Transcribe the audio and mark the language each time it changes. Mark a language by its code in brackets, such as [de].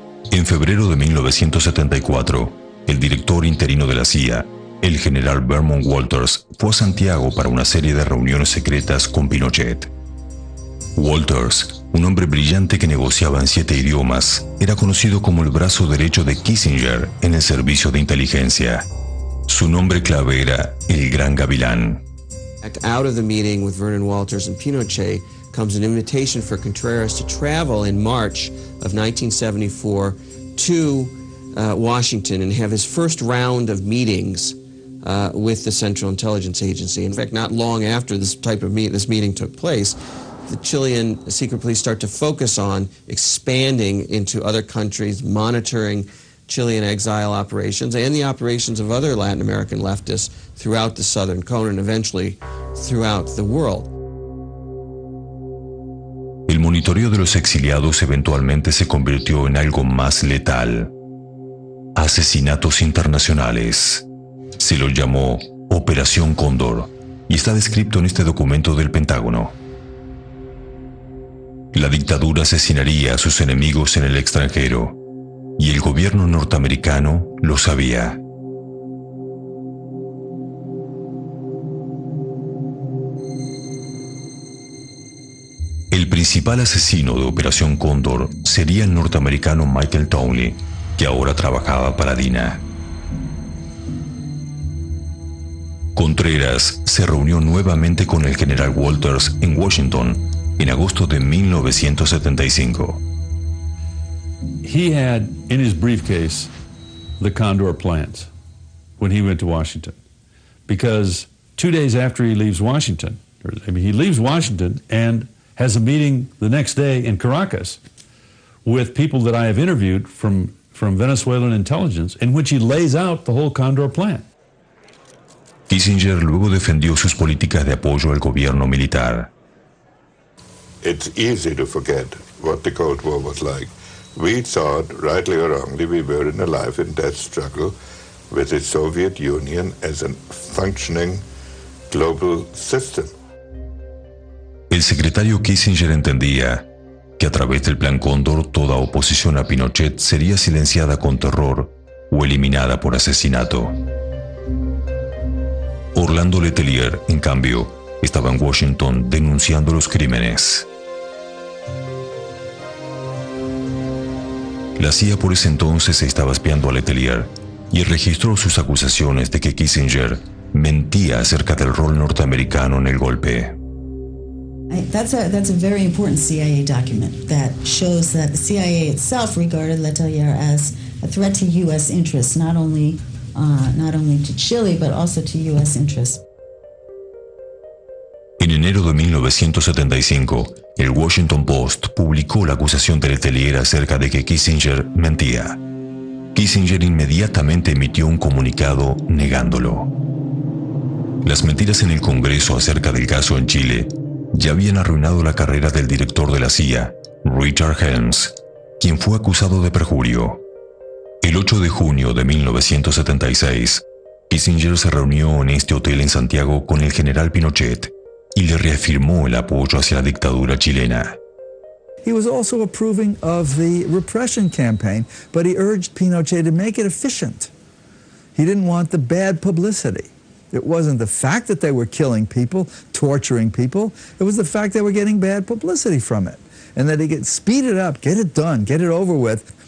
[es] En febrero de 1974, el director interino de la CIA, el general Vernon Walters, fue a Santiago para una serie de reuniones secretas con Pinochet. Walters, un hombre brillante que negociaba en 7 idiomas, era conocido como el brazo derecho de Kissinger en el servicio de inteligencia. Su nombre clave era el Gran Gavilán. [en] Out of the meeting with Vernon Walters and Pinochet comes an invitation for Contreras to travel in March of 1974 to Washington and have his first round of meetings with the Central Intelligence Agency. In fact, not long after this meeting took place, the Chilean secret police start to focus on expanding into other countries, monitoring Chilean exile operations and the operations of other Latin American leftists throughout the Southern Cone and eventually throughout the world. [es] El monitoreo de los exiliados eventualmente se convirtió en algo más letal. Asesinatos internacionales. Se lo llamó Operación Cóndor y está descrito en este documento del Pentágono. La dictadura asesinaría a sus enemigos en el extranjero y el gobierno norteamericano lo sabía. El principal asesino de Operación Cóndor sería el norteamericano Michael Townley, que ahora trabajaba para DINA. Contreras se reunió nuevamente con el general Walters en Washington en agosto de 1975. [en] He had in his briefcase the Condor plans when he went to Washington, because 2 days after he leaves Washington, or I mean he leaves Washington and has a meeting the next day in Caracas with people that I have interviewed from Venezuelan intelligence, in which he lays out the whole Condor plan. [es] Kissinger luego defendió sus políticas de apoyo al gobierno militar. [en] It's easy to forget what the Cold War was like. We thought, rightly or wrongly, we were in a life and death struggle with the Soviet Union as a functioning global system. [es] El secretario Kissinger entendía que a través del Plan Cóndor toda oposición a Pinochet sería silenciada con terror o eliminada por asesinato. Orlando Letelier, en cambio, estaba en Washington denunciando los crímenes. La CIA por ese entonces estaba espiando a Letelier y registró sus acusaciones de que Kissinger mentía acerca del rol norteamericano en el golpe. [en] That's a very important CIA document that shows that the CIA itself regarded Letelier as a threat to U.S. interests, not only to Chile, but also to U.S. interests. [es] En enero de 1975, el Washington Post publicó la acusación de Letelier acerca de que Kissinger mentía. Kissinger inmediatamente emitió un comunicado negándolo. Las mentiras en el Congreso acerca del caso en Chile ya habían arruinado la carrera del director de la CIA, Richard Helms, quien fue acusado de perjurio. El 8 de junio de 1976, Kissinger se reunió en este hotel en Santiago con el general Pinochet y le reafirmó el apoyo hacia la dictadura chilena. [en] He was also approving of the repression campaign, but he urged Pinochet to make it efficient. He didn't want the bad publicity. It wasn't the fact that they were killing people, torturing people. It was the fact they were getting bad publicity from it. And that he could speed it up, get it done, get it over with.